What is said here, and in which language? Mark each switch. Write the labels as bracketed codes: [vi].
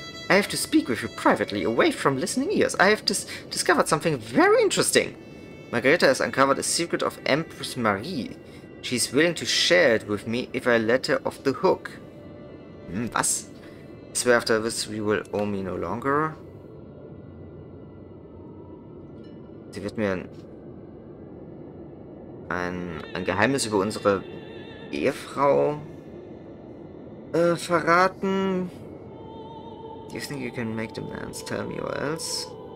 [en] I have to speak with you privately, away from listening ears. I have discovered something very interesting. Margareta has uncovered a secret of Empress Marie. She is willing to share it with me if I let her off the hook. [de] Was? [en] I swear after this we will owe me no longer. [de] Sie wird mir ein Geheimnis über unsere Ehefrau verraten. [en] Do you think you can make the man tell me or else?